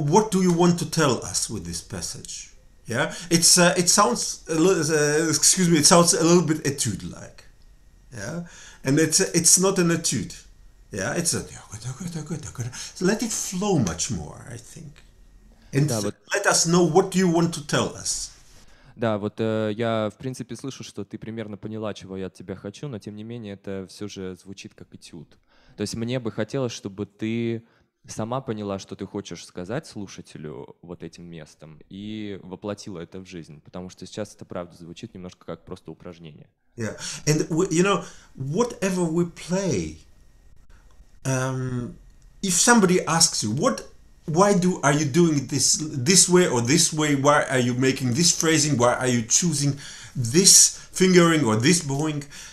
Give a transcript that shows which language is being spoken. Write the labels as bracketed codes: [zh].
[en] What do you want to tell us with this passage? Yeah, it sounds a little bit etude like. Yeah, and it's not an etude. Yeah, it's a so let it flow much more, I think. And let us know what you want to tell us. [ru] Да, вот я, в принципе, слышу, что ты примерно поняла, чего я от тебя хочу, но, тем не менее, это все же звучит как этюд. То есть мне бы хотелось, чтобы ты сама поняла, что ты хочешь сказать слушателю вот этим местом, и воплотила это в жизнь, потому что сейчас это, правда, звучит немножко как просто упражнение. [en] Yeah, and, you know, whatever we play, if somebody asks you, why are you doing this way or this way? Why are you making this phrasing? Why are you choosing this fingering or this bowing?